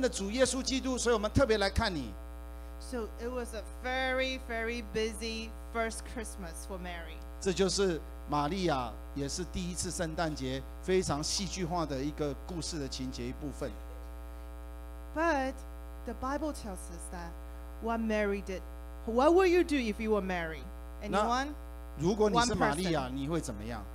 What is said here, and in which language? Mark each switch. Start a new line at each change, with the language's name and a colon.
Chinese: 大卫的城里今天为我们诞生的主耶稣基督,所以我们特别来看你。
English: So it was a very, very busy first Christmas for Mary.
Chinese: 这就是玛利亚。也是第一次圣诞节非常戏剧化的一个故事的情节一部分。
English: But the Bible tells us that what Mary did, what would you do if you were Mary? Anyone?
Chinese: 如果你是玛利亚, 你会怎么样?